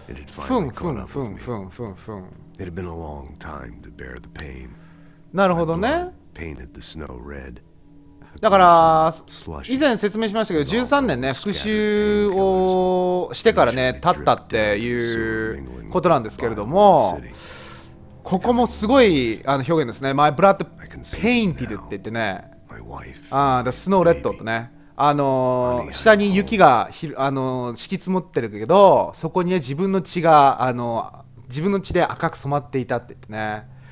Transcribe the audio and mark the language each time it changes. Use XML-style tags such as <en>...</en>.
<en>ふんふんふんふんふんふん。 It had been a long time to bear the pain.</en> <ja>なるほどね。</ja> <en>Painted the snow red.</en> <ja>だから以前説明しましたけど、13年ね復讐をしてからね経ったっていうことなんですけれども、ここもすごい表現ですね。</ja> <en>My blood painted</en> <ja>って言ってね、</ja> <en>The snow red</en> <ja>ってね、下に雪が敷き積もってるけど、そこにね自分の血が自分の血で赤く染まっていたって言ってね。</ja>